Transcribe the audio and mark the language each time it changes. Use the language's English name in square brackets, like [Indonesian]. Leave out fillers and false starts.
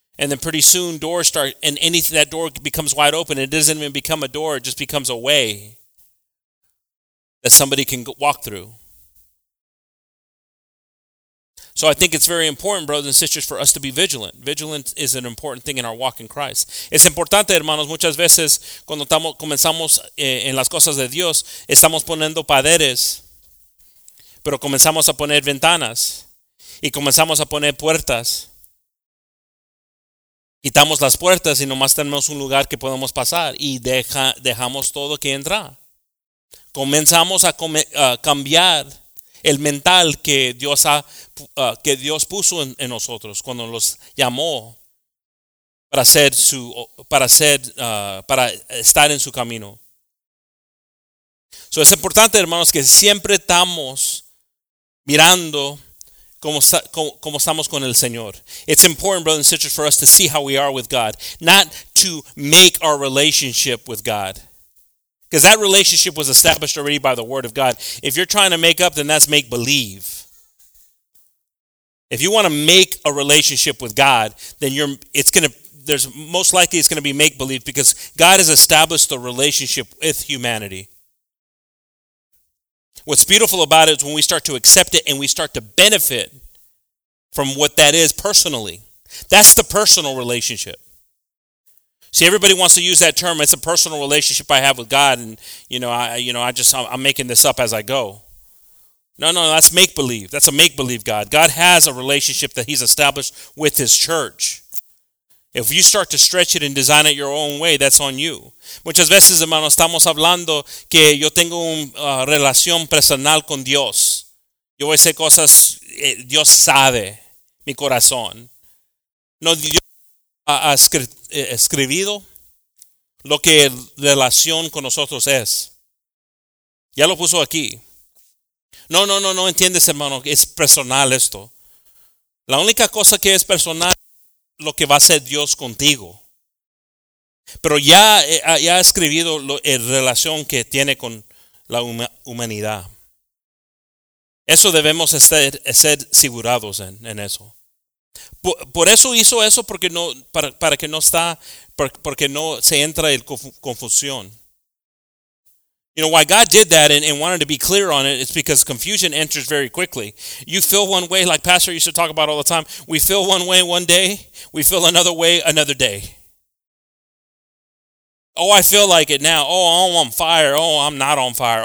[English] And then pretty soon doors start, and anything, that door becomes wide open. It doesn't even become a door. It just becomes a way that somebody can walk through. So I think it's very important, brothers and sisters, for us to be vigilant. Vigilant is an important thing in our walk in Christ. [Spanish] Es importante, hermanos, muchas veces cuando comenzamos en las cosas de Dios, estamos poniendo paredes, pero comenzamos a poner ventanas y comenzamos a poner puertas. Quitamos las puertas y nomás tenemos un lugar que podemos pasar, y dejamos todo que entra. comenzamos a cambiar el mental que Dios ha que Dios puso en nosotros cuando los llamó para ser su para estar en su camino. So, es importante, hermanos, que siempre estamos mirando cómo estamos con el Señor. [English] It's important, brothers and sisters, for us to see how we are with God, not to make our relationship with God. Because that relationship was established already by the Word of God. If you're trying to make up, then that's make-believe. If you want to make a relationship with God, then it's going to be make-believe, because God has established the relationship with humanity. What's beautiful about it is when we start to accept it and we start to benefit from what that is personally. That's the personal relationship. See, everybody wants to use that term. It's a personal relationship I have with God, and I'm making this up as I go. No, that's make-believe. That's a make-believe God. God has a relationship that he's established with his church. If you start to stretch it and design it your own way, that's on you. [Spanish] Muchas veces, hermanos, estamos hablando que yo tengo una relación personal con Dios. Yo voy a hacer cosas, Dios sabe mi corazón. No, Dios ha escrito lo que relación con nosotros es. Ya lo puso aquí. No, entiendes, hermano, es personal esto. La única cosa que es personal es lo que va a hacer Dios contigo. Pero ya ha escrito la relación que tiene con la humanidad. Eso debemos ser asegurados en eso. Por eso hizo eso, porque no, para que no está, porque no se entra en confusión. [English] You know, why God did that and wanted to be clear on it, it's because confusion enters very quickly. You feel one way, like Pastor used to talk about all the time, we feel one way one day, we feel another way another day. Oh, I feel like it now. Oh, I'm on fire. Oh, I'm not on fire.